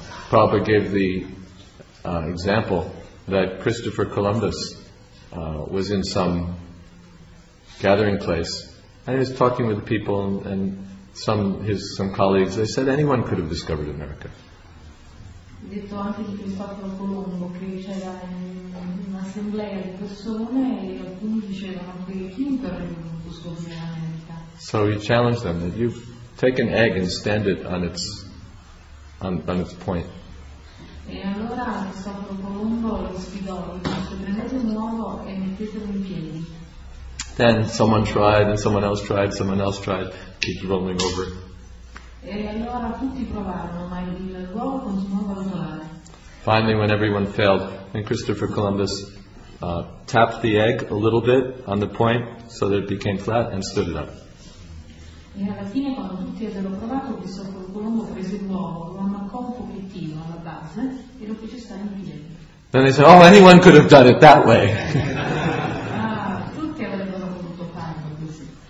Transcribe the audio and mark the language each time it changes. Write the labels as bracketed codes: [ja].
[en] Prabhupada gave the example that Christopher Columbus was in some gathering place and he was talking with the people, and some colleagues, they said anyone could have discovered America. [it] Detto anche di Cristoforo Colombo che c'era un'assemblea di persone e alcuni dicevano che chiunque avrebbe potuto scoprire l'America. [en] So he challenged them that you've take an egg and stand it on its on its point. [it] E allora Cristoforo Colombo lo sfidò, se prendete un uovo e mettetelo in piedi. [en] Then someone tried, and someone else tried, someone else tried, keep rolling over. [it] E allora tutti provarono, ma il uovo continuava a rotolare. [en] Finally, when everyone failed, then Christopher Columbus tapped the egg a little bit on the point so that it became flat and stood it up. [it] E alla fine, quando tutti avevano provato, Cristoforo Colombo prese l'uovo, lo ammaccò un pochettino alla base e lo fece stare in piedi. [en] Then they said, oh, anyone could have done it that way. [it] Ah, tutti avrebbero potuto farlo così.